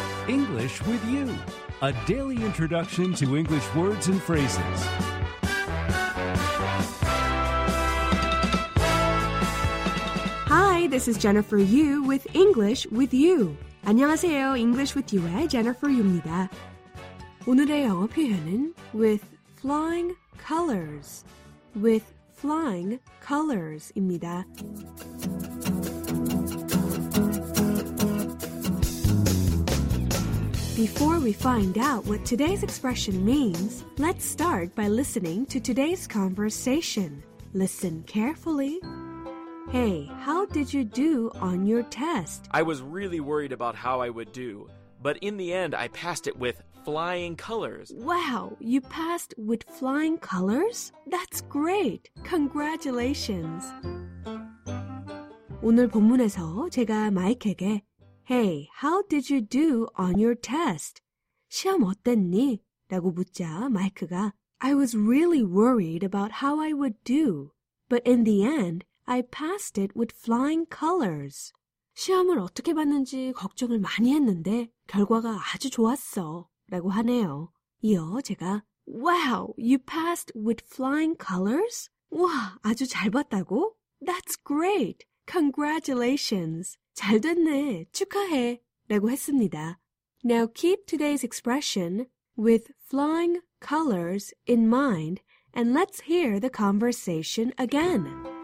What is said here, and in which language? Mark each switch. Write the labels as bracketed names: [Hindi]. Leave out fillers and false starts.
[English] English with you, a daily introduction to English words and phrases. Hi, this is Jennifer Yu with English with you. [Korean] 안녕하세요, English with you의 Jennifer Yu입니다. 오늘의 영어 표현은 with flying colors. [English] With flying colors입니다. Before we find out what today's expression means, let's start by listening to today's conversation. Listen carefully. Hey, how did you do on your test? I was really worried about how I would do, but in the end, I passed it with flying colors. Wow, you passed with flying colors? That's great. Congratulations. [Korean] 오늘 본문에서 제가 마이크에게 [English] Hey, how did you do on your test? [Korean] 시험 어땠니? 라고 묻자 마이크가 [English] I was really worried about how I would do, but in the end, I passed it with flying colors. [Korean] 시험을 어떻게 봤는지 걱정을 많이 했는데 결과가 아주 좋았어 라고 하네요. 이어 제가 [English] Wow, you passed with flying colors? [Korean] 와, 아주 잘 봤다고? [English] That's great. Congratulations. [Korean] 잘 됐네. 축하해. 라고 했습니다. [English] Now keep today's expression with flying colors in mind and let's hear the conversation again.